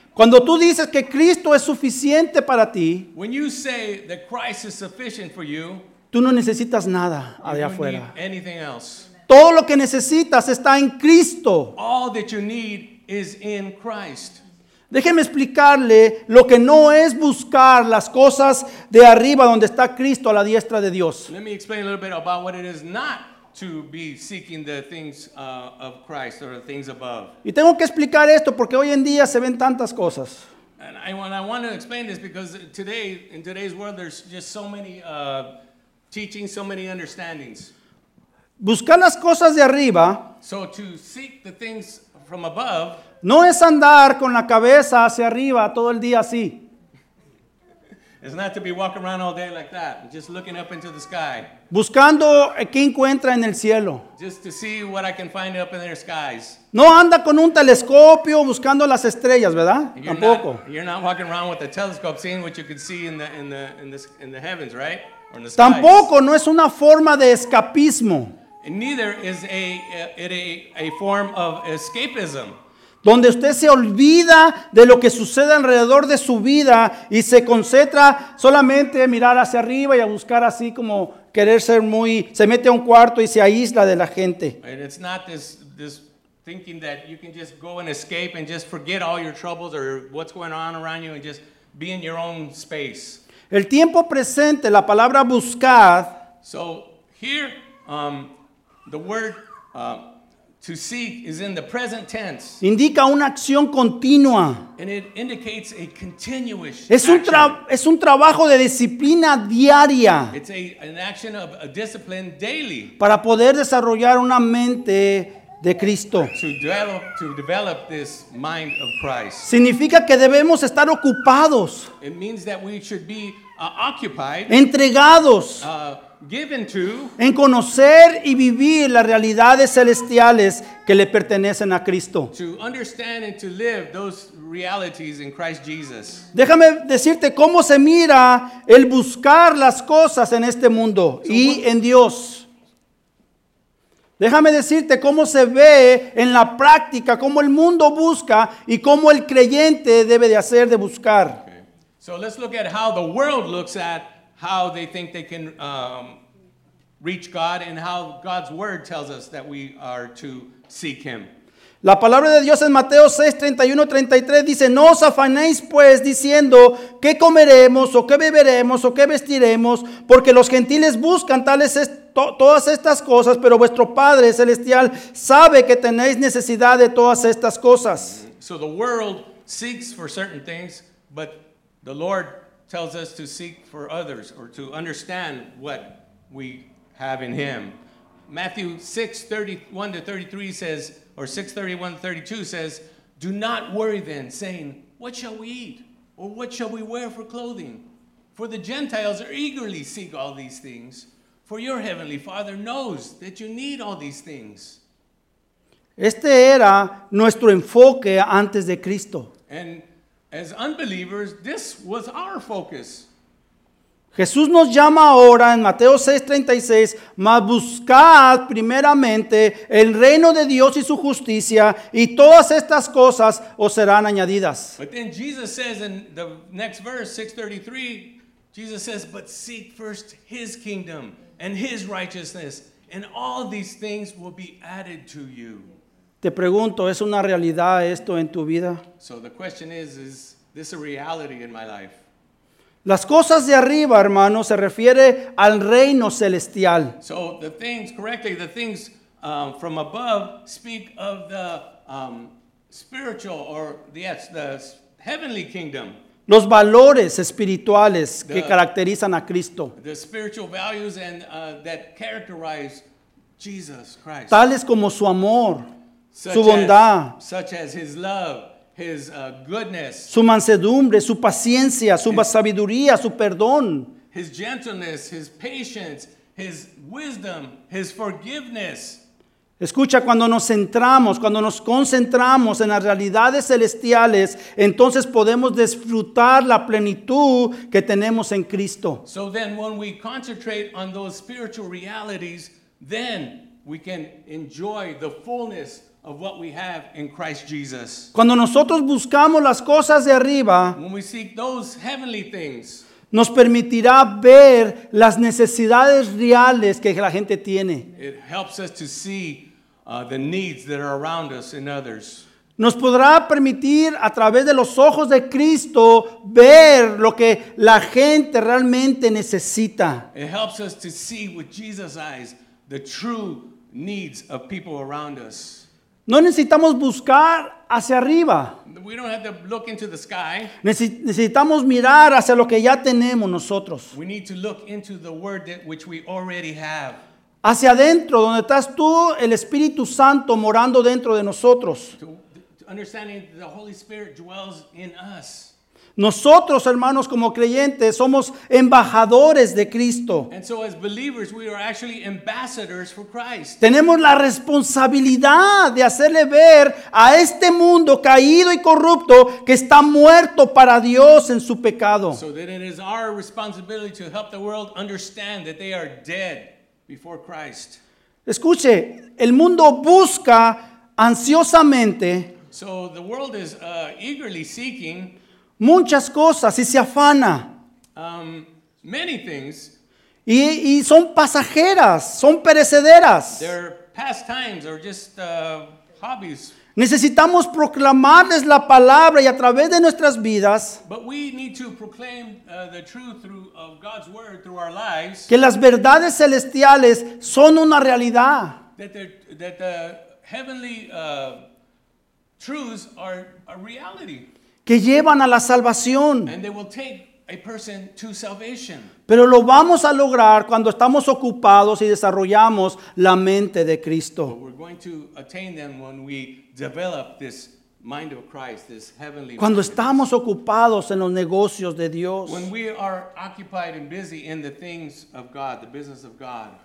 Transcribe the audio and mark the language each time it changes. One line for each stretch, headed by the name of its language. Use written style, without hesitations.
Spanish: Cuando tú dices que Cristo es suficiente para ti,
English: when you say that Christ is sufficient for you,
Spanish: tú no necesitas nada allá afuera.
English: You don't need anything else.
Spanish: Todo lo que necesitas está en Cristo.
English: All that you need is in Christ.
Spanish: Déjeme explicarle lo que no es buscar las cosas de arriba donde está Cristo a la diestra de Dios.
English: Let me explain a little bit about what it is not to be seeking the things of Christ or the things above.
Spanish: Y tengo que explicar esto porque hoy en día se ven tantas cosas.
English: And I want to explain this because today, in today's world, there's just so many teachings, so many understandings.
Spanish: Buscar las cosas de arriba,
English: so to seek the things from above,
Spanish: no es andar con la cabeza hacia arriba todo el día así.
English: It's not to be walking around all day like that, just looking up into the sky.
Spanish: Buscando qué encuentra en el cielo.
English: Just to see what I can find up in their skies.
Spanish: No anda con un telescopio buscando las estrellas, ¿verdad? Tampoco.
English: You're not walking around with a telescope seeing what you can see in the heavens, right? Or in the skies.
Spanish: Tampoco, no es una forma de escapismo.
English: And neither is a form of escapism.
Spanish: Donde usted se olvida de lo que sucede alrededor de su vida y se concentra solamente a mirar hacia arriba y a buscar así como querer ser muy, se mete a un cuarto y se aísla de la gente.
English: And it's not this thinking that you can just go and escape and just forget all your troubles or what's going on around you and just be in your own space.
Spanish: El tiempo presente, la palabra buscar.
English: So here, the word to seek is in the present tense.
Spanish: Indica una acción continua.
English: And it indicates a continuous action.
Spanish: Es un trabajo de disciplina diaria.
English: It's an action of a discipline daily.
Spanish: Para poder desarrollar una mente de Cristo.
English: To develop this mind of Christ.
Spanish: Significa que debemos estar ocupados.
English: It means that we should be occupied.
Spanish: Entregados.
English: Given to,
Spanish: en conocer y vivir las realidades celestiales que le pertenecen a Cristo.
English: To understand and to live those realities in Christ Jesus.
Spanish: Déjame decirte cómo se mira el buscar las cosas en este mundo y en Dios. Déjame decirte cómo se ve en la práctica, cómo el mundo busca y cómo el creyente debe de hacer de buscar.
English: Okay. So let's look at how the world looks at how they think they can reach God and how God's word tells us that we are to seek him.
Spanish: La palabra de Dios en Mateo 6:31-33 dice, "No os afanéis pues diciendo, ¿qué comeremos o qué beberemos o qué vestiremos? Porque los gentiles buscan todas estas cosas, pero vuestro Padre celestial sabe que tenéis necesidad de todas estas cosas."
English: So the world seeks for certain things, but the Lord tells us to seek for others or to understand what we have in him. Matthew 6:31-33 says, or 6:31-32 says, "Do not worry then, saying, what shall we eat? Or what shall we wear for clothing? For the Gentiles eagerly seek all these things. For your heavenly Father knows that you need all these things."
Spanish: Este era nuestro enfoque antes de Cristo.
English: And as unbelievers, this was our focus.
Spanish: Jesús nos llama ahora en Mateo 6:36, "Mas buscad primeramente el reino de Dios y su justicia, y todas estas cosas os serán añadidas."
English: But then Jesus says in the next verse, 6:33, Jesus says, "But seek first his kingdom and his righteousness, and all these things will be added to you."
Spanish: Te pregunto, ¿es una realidad esto en tu vida?
English: So the question is this a reality in my life?
Spanish: Las cosas de arriba, hermano, se refiere al reino celestial.
English: So the things, correctly, the things from above speak of the spiritual or the heavenly kingdom.
Spanish: Los valores espirituales que caracterizan a Cristo.
English: The spiritual values and that characterize Jesus Christ.
Spanish: Tales como su amor. Su bondad,
English: such as his love, his goodness,
Spanish: su mansedumbre, su paciencia, su sabiduría, su perdón,
English: his gentleness, his patience, his wisdom, his forgiveness.
Spanish: Escucha, cuando nos centramos, cuando nos concentramos en las realidades celestiales, entonces podemos disfrutar la plenitud que tenemos en Cristo.
English: So then when we concentrate on those spiritual realities, then we can enjoy the fullness of what we have in Christ Jesus.
Spanish: Cuando nosotros buscamos las cosas de arriba,
English: when we seek those heavenly things,
Spanish: nos permitirá ver las necesidades reales que la gente tiene.
English: It helps us to see the needs that are around us in others.
Spanish: Nos podrá permitir a través de los ojos de Cristo ver lo que la gente realmente necesita.
English: It helps us to see with Jesus' eyes the true needs of people around us.
Spanish: No necesitamos buscar hacia arriba.
English: We don't have to look into the sky.
Spanish: Necesitamos mirar hacia lo que ya tenemos nosotros.
English: We need to look into the word that which we already have.
Spanish: Hacia adentro, donde estás tú, el Espíritu Santo morando dentro de nosotros.
English: To understanding the Holy Spirit dwells in us.
Spanish: Nosotros, hermanos, como creyentes, somos embajadores de Cristo.
English: And so as believers, we are actually ambassadors for Christ.
Spanish: Tenemos la responsabilidad de hacerle ver a este mundo caído y corrupto que está muerto para Dios en su pecado.
English: So that it is our responsibility to help the world understand that they are dead before Christ.
Spanish: Escuche, el mundo busca ansiosamente.
English: So the world is eagerly seeking.
Spanish: Muchas cosas y se afana.
English: Many things.
Spanish: Y son pasajeras, son perecederas.
English: They're pastimes or just hobbies.
Spanish: Necesitamos proclamarles la palabra y a través de nuestras vidas.
English: But we need to proclaim the truth through, of God's word through our lives.
Spanish: Que las verdades celestiales son una realidad.
English: That the heavenly truths are a reality.
Spanish: Que llevan a la salvación.
English: And they will take a person to salvation.
Spanish: Pero lo vamos a lograr cuando estamos ocupados y desarrollamos la mente de Cristo.
English: But we're going to attain them when we develop this mind of Christ, this heavenly
Spanish: cuando
English: mind
Spanish: estamos ocupados en los negocios de Dios.
English: When we are occupied and busy in the things of God, the business of God.